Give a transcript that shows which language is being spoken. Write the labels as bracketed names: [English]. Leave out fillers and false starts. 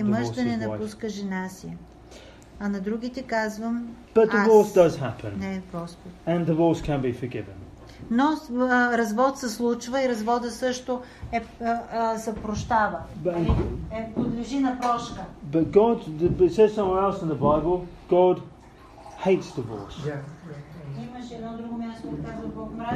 [Bulgarian] И мъж да не напуска жена си. А на другите казвам, [English] but divorce does happen. [Bulgarian] Не, Господ. [English] And divorce can be forgiven. [Bulgarian] Но развод се случва и развода също се прощава. Подлежи на прошка. [English] But God, it says somewhere else in the Bible, God hates divorce. [Bulgarian] Имаше едно друго място, казва Бог мрази.